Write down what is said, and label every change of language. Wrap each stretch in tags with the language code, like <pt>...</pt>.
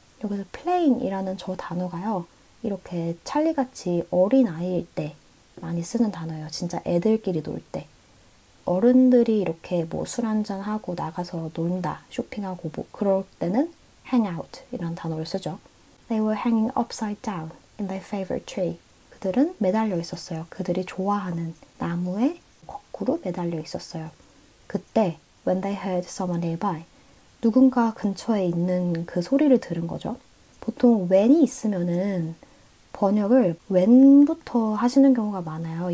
<ko>여기서 playing이라는 저 단어가요. 이렇게 찰리같이 어린 아이일 때 많이 쓰는 단어예요. 진짜 애들끼리 놀 때. 어른들이 이렇게 뭐 술 한잔하고 나가서 논다, 쇼핑하고 뭐 그럴 때는</ko> <en>hang out</en> <ko>이런 단어를 쓰죠.</ko> <en>They were hanging upside down in their favorite tree.</en> <ko>그들은 매달려 있었어요. 그들이 좋아하는 나무에 거꾸로 매달려 있었어요. 그때</ko> <en>When they heard someone nearby,</en> <ko>누군가 근처에 있는 그 소리를 들은 거죠. 보통 when이 있으면은 번역을 when부터 하시는 경우가 많아요.</ko>